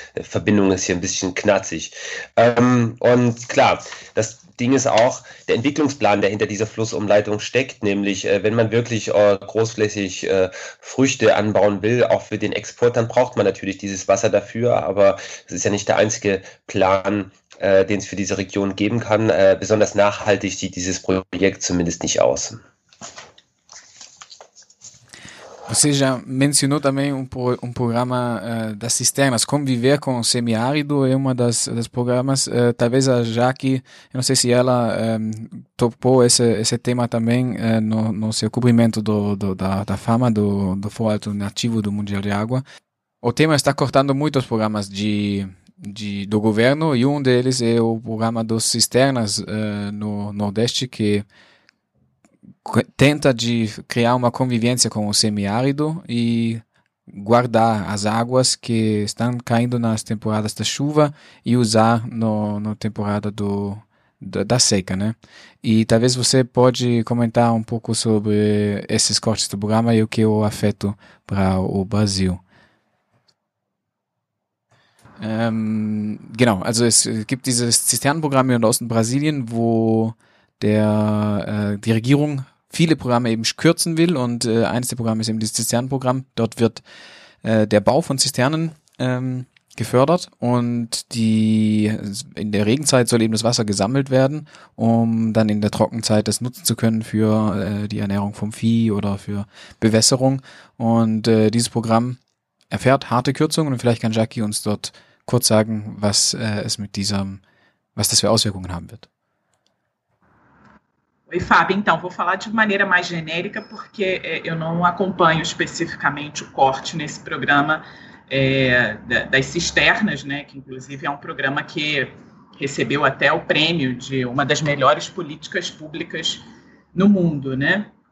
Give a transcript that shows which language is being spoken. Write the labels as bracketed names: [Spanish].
[German] Verbindung ist hier ein bisschen knatzig. Und klar, das Ding ist auch, der Entwicklungsplan, der hinter dieser Flussumleitung steckt, nämlich wenn man wirklich großflächig Früchte anbauen will, auch für den Export, dann braucht man natürlich dieses Wasser dafür, aber es ist ja nicht der einzige Plan, den es für diese Region geben kann. Besonders nachhaltig sieht dieses Projekt zumindest nicht aus. [Portuguese] Você já mencionou também um programa das cisternas, Conviver com o Semiárido, é uma das programas, talvez a Jaque, eu não sei se ela topou esse tema também no seu cobrimento da fama do Foro Alternativo do Mundial de Água. O tema está cortando muitos programas do governo e um deles é o programa das cisternas no Nordeste, que tenta de criar uma convivência com o semiárido e guardar as águas que estão caindo nas temporadas da chuva e usar no temporada da seca, né? E talvez você pode comentar um pouco sobre esses cortes do programa e o que o afeto para o Brasil. [German] Genau, also es gibt dieses Zisternenprogramm in Ostbrasilien, wo die Regierung viele Programme eben kürzen will und eines der Programme ist eben das Zisternenprogramm. Dort wird der Bau von Zisternen gefördert und in der Regenzeit soll eben das Wasser gesammelt werden, um dann in der Trockenzeit das nutzen zu können für die Ernährung vom Vieh oder für Bewässerung. Und dieses Programm erfährt harte Kürzungen und vielleicht kann Jackie uns dort kurz sagen, was das für Auswirkungen haben wird. [Portuguese] Oi, Fábio. Então, vou falar de maneira mais genérica, porque eu não acompanho especificamente o corte nesse programa das cisternas, né? Que inclusive é um programa que recebeu até o prêmio de uma das melhores políticas públicas no mundo, né?